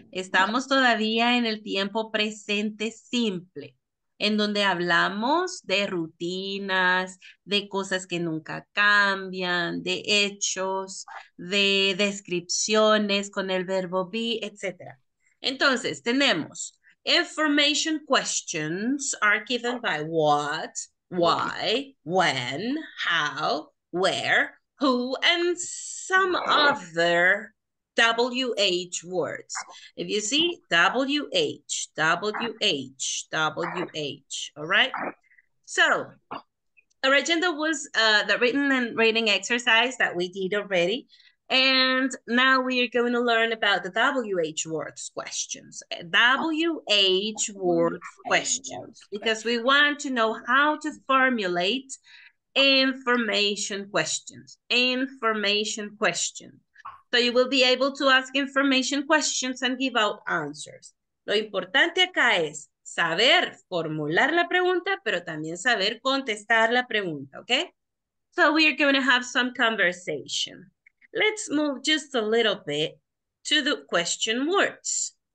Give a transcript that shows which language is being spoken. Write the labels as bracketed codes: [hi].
[es] Estamos todavía en el tiempo presente simple, en donde hablamos de rutinas, de cosas que nunca cambian, de hechos, de descripciones con el verbo be, etc. Entonces, tenemos [en] information questions are given by what, why, when, how, where, who, and some other WH words. If you see WH, WH, WH, all right? So, our agenda was the written and reading exercise that we did already. And now we are going to learn about the WH words questions. WH words questions, because we want to know how to formulate information questions. Information questions. So you will be able to ask information questions and give out answers. [es] Lo importante acá es saber formular la pregunta, pero también saber contestar la pregunta, okay? [en] So we are going to have some conversation. Let's move just a little bit to the question words.